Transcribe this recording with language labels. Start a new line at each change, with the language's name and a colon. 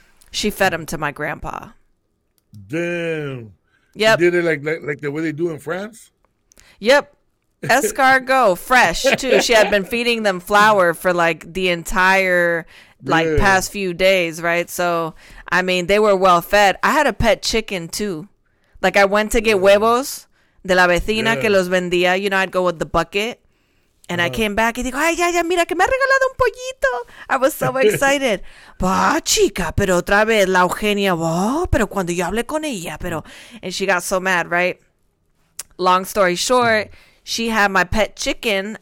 English: She fed them to my grandpa. Damn. Yep. She did it like the way they do in France? Yep. Escargot, fresh too. She had been feeding them flour for like the entire past few days, right? So I mean, they were well fed. I had a pet chicken too. Like I went to get
Spanish: huevos de la vecina que los vendía.
English: You know, I'd go with the bucket, and I came back and they go,
Spanish: ay, ya, mira que me ha regalado un pollito.
English: I was so excited.
Spanish: Bah, chica, pero otra vez la Eugenia. Oh, pero cuando yo hablé con ella, pero,
English: and she got so mad, right? Long story short. She had my pet chicken.